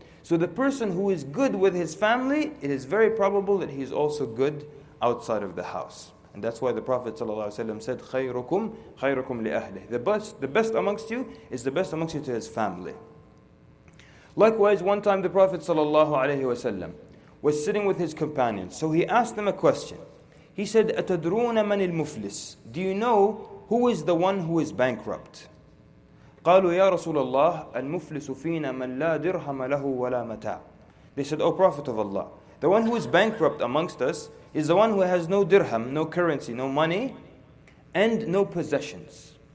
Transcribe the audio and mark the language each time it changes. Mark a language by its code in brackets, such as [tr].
[en] So the person who is good with his family, it is very probable that he's also good outside of the house. And that's why the Prophet ﷺ said, [ar] خَيْرُكُمْ خَيْرُكُمْ لِأَهْلِهِ. [en] The best amongst you is the best amongst you to his family. Likewise, one time the Prophet ﷺ was sitting with his companions. So he asked them a question. He said, [ar] أَتَدْرُونَ مَنِ الْمُفْلِسِ? [en] Do you know who is the one who is bankrupt? [ar] قَالُوا يَا رَسُولَ اللَّهِ الْمُفْلِسُ فِينَا مَنْ لَا دِرْهَمَ لَهُ وَلَا مَتَاعٍ. [en] They said, O Prophet of Allah, the one who is bankrupt amongst us is the one who has no dirham, no currency, no money, and no possessions.